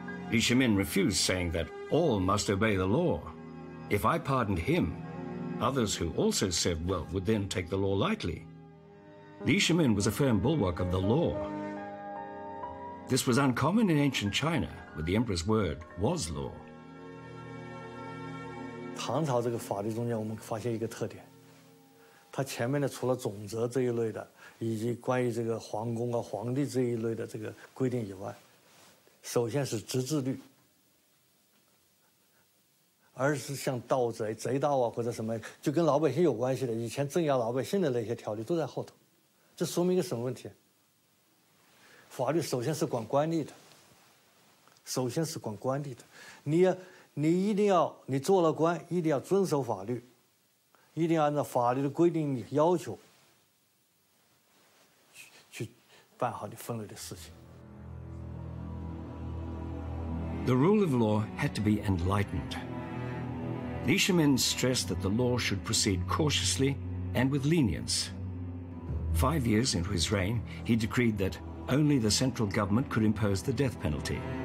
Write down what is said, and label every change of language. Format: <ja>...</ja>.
<en>Li Shimin refused, saying that all must obey the law. If I pardoned him, others who also served well would then take the law lightly. Li Shimin was a firm bulwark of the law. This was uncommon in ancient China, where the emperor's word was law.</en> <zh>唐朝这个法律中间，我们发现一个特点，它前面的除了总则这一类的，以及关于这个皇宫啊、皇帝这一类的这个规定以外，首先是执制律。而是像盗贼、贼盗啊，或者什么，就跟老百姓有关系的，以前镇压老百姓的那些条例都在后头。这说明一个什么问题？法律首先是管官吏的，首先是管官吏的。你一定要，你做了官，一定要遵守法律，一定要按照法律的规定要求去办好你分内的事情。</zh> <en>The rule of law had to be enlightened. Li Shimin stressed that the law should proceed cautiously and with lenience. 5 years into his reign, he decreed that only the central government could impose the death penalty.</en>